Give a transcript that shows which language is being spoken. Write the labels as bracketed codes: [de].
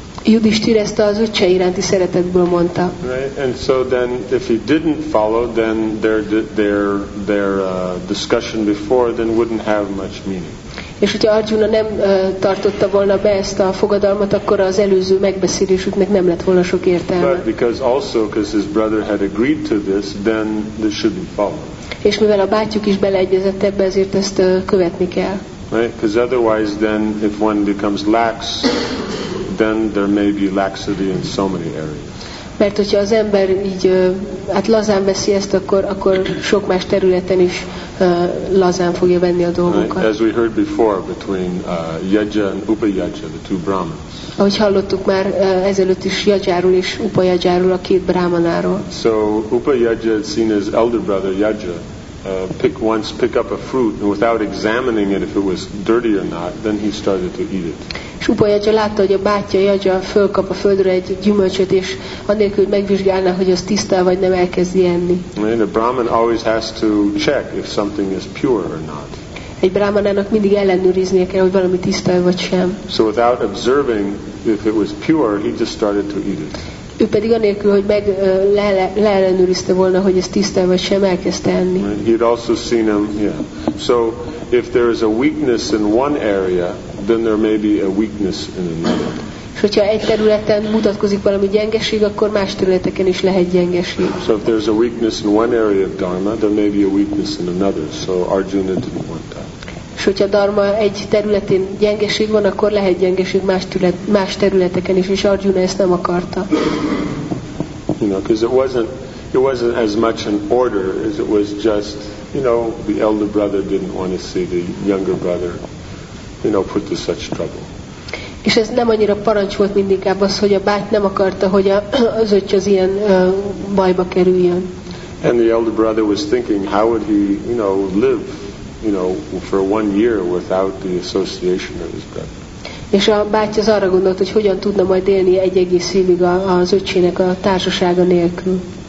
[hu] Yudhisthira ezt az öccse iránti szeretetből mondta. [en] Right, and so then, if he didn't follow, then their discussion before then wouldn't have much meaning. [hu] És hogyha Arjuna nem tartotta volna be ezt a fogadalmat, akkor az előző megbeszélésüknek nem lett volna sok értelme. [en] But because his brother had agreed to this, then this should be followed. [hu] És mivel a bátyjuk is beleegyezett ebbe, ezért ezt követni kell. [en] Right? Because otherwise, then if one becomes lax, then there may be laxity in so many areas. [hu] Mert hogyha az ember így hát lazán veszi ezt, akkor sok más területen is lazán fogja venni a dolgokat. [en] As we heard before, between Yajja and Upayajja, the two Brahmins. [hu] Ahogy hallottuk már ezelőtt is Yajjáról és Upayajjáról, a két brahmanáról. [en] So Upayajja is seen as elder brother Yajja. Pick up a fruit and without examining it if it was dirty or not, then he started to eat it. [hu] És Upayajja látta, hogy a bátyja Yajja fölkap a földre egy gyümölcsöt, és anélkül, hogy megvizsgálná, hogy az tiszta vagy nem, elkezdi enni. [en] And a Brahman always has to check if something is pure or not. [hu] Egy brahmanának mindig ellenőriznie kell, hogy valami tiszta vagy sem. [en] So without observing if it was pure, he just started to eat it. [hu] Ő pedig anélkül, hogy meg leellenőrizte volna, hogy ez tiszta vagy sem, elkezdte enni. [en] He'd also seen him, yeah. So if there is a weakness in one area, then there may be a weakness in another. [hu] És hogyha egy területen mutatkozik valami gyengeség, akkor más területeken is lehet gyengeség. [en] So if there's a weakness in one area of dharma, there may be a weakness in another. So Arjuna didn't want that. [hu] És hogyha dharma egy területén gyengeség van, akkor lehet gyengeség más területeken is, és Arjuna ezt nem akarta. [en] You know, because it wasn't as much an order as it was just, you know, the elder brother didn't want to see the younger brother, you know, put to such trouble. [hu] És ez nem annyira parancs volt, mint inkább az, hogy a báty nem akarta, hogy az öccs az ilyen bajba kerüljön. [en] And the elder brother was thinking, how would he, you know, live, you know, for one year without the association of his brother. [hu] És a báty az arra gondolt, hogy hogyan tudna majd élni egy egész évig az öccsének a társasága nélkül.